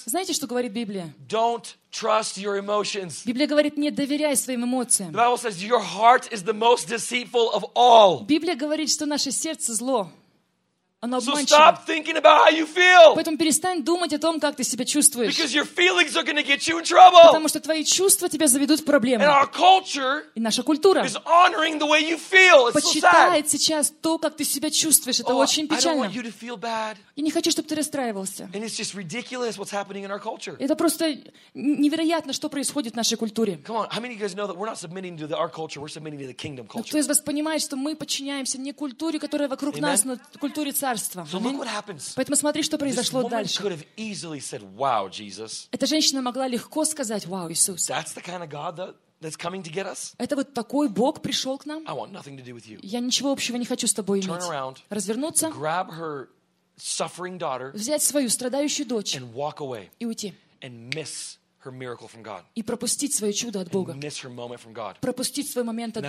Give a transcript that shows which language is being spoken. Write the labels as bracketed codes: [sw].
[ru] Знаете, что говорит Библия? [en] Don't trust your emotions. [ru] Библия говорит, не доверяй своим эмоциям. [en] The Bible says your heart is the most deceitful of all. [ru] Библия говорит, что наше сердце зло. [en] So stop thinking about how you feel. [ru] Поэтому перестань думать о том, как ты себя чувствуешь. [en] Because your feelings are going to get you in trouble. [ru] Потому что твои чувства тебя заведут в проблемы. [en] And our culture [ru] и наша культура [en] is honoring the way you feel. It's [ru] почитает [en] so [ru] сейчас то, как ты себя чувствуешь. Это очень печально. [en] I don't want you to feel bad. [ru] Я не хочу, чтобы ты расстраивался. [en] And it's just ridiculous what's happening in our culture. [ru] Это просто невероятно, что происходит в нашей культуре. [en] Come on, how many of you guys know that we're not submitting to the, our culture, we're submitting to the kingdom culture? [ru] Кто из вас понимает, что мы подчиняемся не культуре, которая вокруг нас, но культуре царства? [en] So look what happens. [ru] Поэтому смотри, что произошло [en] this [ru] дальше. [en] Could have easily said, wow, Jesus. [ru] Эта женщина могла легко сказать, «Вау, Иисус!» [en] That's the kind of God that's coming to get us? [ru] Это вот такой Бог пришел к нам? [en] I want nothing to do with you. [ru] Я ничего общего не хочу с тобой иметь. [en] Turn around, [ru] развернуться, [en] grab her suffering daughter, [ru] взять свою страдающую дочь [en] and walk away, [ru] и уйти. [en] And miss her miracle from God. [ru] И пропустить своё чудо от Бога. [en] And miss her moment from God. [ru] Пропустить свой момент от